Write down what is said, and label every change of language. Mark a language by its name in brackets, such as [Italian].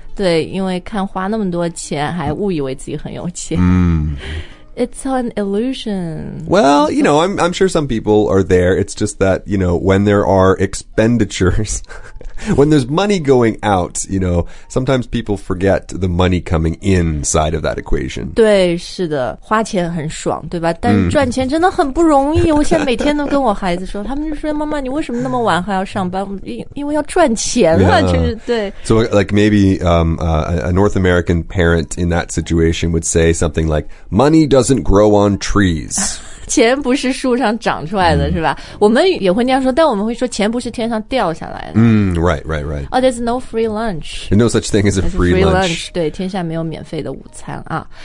[Chinese] 对因为看花那么多钱还误以为自己很有钱、 [English] It's an illusion Well, you know, I'm sure some people are there It's just that, you know, when there are expenditures When there's money going out, you know, sometimes people forget the money coming inside of that equation. [Chinese] 对，是的，花钱很爽，对吧？但赚钱真的很不容易。我现在每天都跟我孩子说，他们就说：“妈妈，你为什么那么晚还要上班？因为要赚钱嘛。” 就是对。 [English] So, like maybe a North American parent in that situation would say something like, "Money doesn't grow on trees." [Chinese] 钱不是树上长出来的是吧、我们也会那样说但我们会说钱不是天上掉下来的、 [English] Right. Oh, there's no free lunch. No such thing as a free lunch. [Chinese] 对天下没有免费的午餐啊。